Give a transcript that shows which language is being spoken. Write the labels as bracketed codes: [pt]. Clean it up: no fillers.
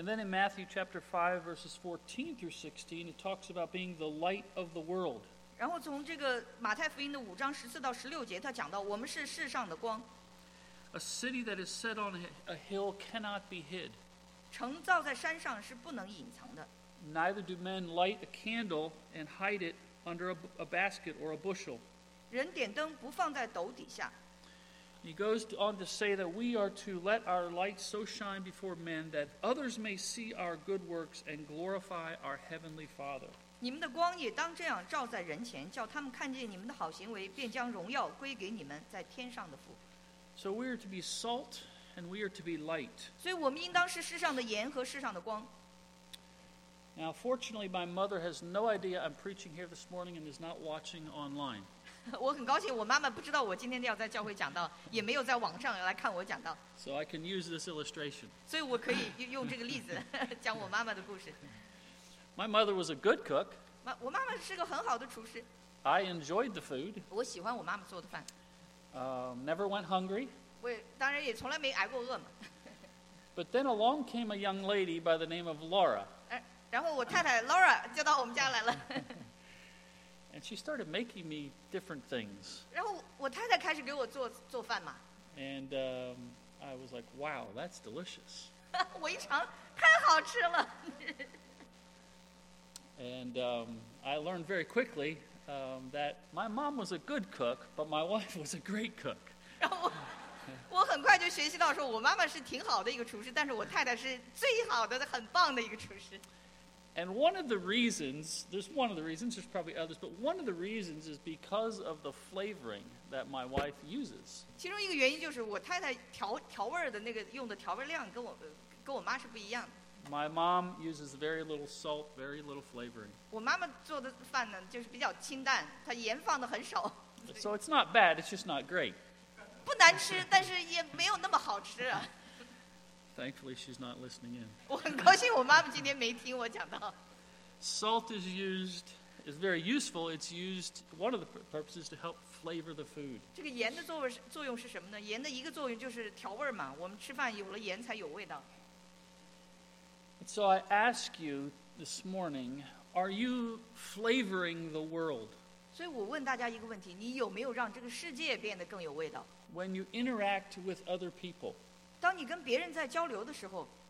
[en] And then in Matthew chapter 5 verses 14 through 16, it talks about being the light of the world. [zh] 然后从这个马太福音的五章十四到十六节，他讲到我们是世上的光。 [en] A city that is set on a hill cannot be hid. [zh] 城造在山上是不能隐藏的。 [en] Neither do men light a candle and hide it under a basket or a bushel. [zh] 人点灯不放在斗底下。 [en] He goes on to say that we are to let our light so shine before men that others may see our good works and glorify our heavenly Father. [zh] 你们的光也当这样照在人前，叫他们看见你们的好行为，便将荣耀归给你们在天上的父。 [en] So we are to be salt and we are to be light. [zh] 所以我们应当是世上的盐和世上的光。 [en] Now, fortunately, my mother has no idea I'm preaching here this morning and is not watching online. [zh] 我很高兴我妈妈不知道我今天要在教会讲道，也没有在网上来看我讲道。 [en] So I can use this illustration. [zh] 所以我可以用这个例子讲我妈妈的故事。 [en] My mother was a good cook. [zh] 我妈妈是个很好的厨师。 [en] I enjoyed the food. [zh] 我喜欢我妈妈做的饭。 [en] Never went hungry. [zh] 我当然也从来没挨过饿嘛。 [en] But then along came a young lady by the name of Laura. [zh] 然后我太太 Laura 就到我们家来了。 [en] And she started making me different things. [zh] 然后我太太开始给我做饭嘛。 [en] And I was like, wow, that's delicious. [zh] 我一尝，太好吃了。 [en] And I learned very quickly that my mom was a good cook, but my wife was a great cook. [zh] 然后我很快就学习到说，我妈妈是挺好的一个厨师，但是我太太是最好的，很棒的一个厨师。 [en] And one of the reasons, there's one of the reasons, there's probably others, but one of the reasons is because of the flavoring that my wife uses. [zh] 其中一个原因就是我太太调味的那个用的调味量跟我妈是不一样的。 [en] My mom uses very little salt, very little flavoring. [zh] 我妈妈做的饭呢就是比较清淡，她盐放的很少。 [en] So it's not bad, it's just not great. [zh] 不难吃，但是也没有那么好吃啊。 [en] Thankfully, she's not listening in. [zh] 我很高兴我妈妈今天没听我讲到。 [en] Salt is very useful. It's used, one of the purposes, to help flavor the food. [zh] 这个盐的作用是什么呢？盐的一个作用就是调味嘛。我们吃饭有了盐才有味道。 [en] So I ask you this morning, are you flavoring the world? [zh] 所以我问大家一个问题，你有没有让这个世界变得更有味道？ [en] When you interact with other people, [zh] 当你跟别人在交流的时候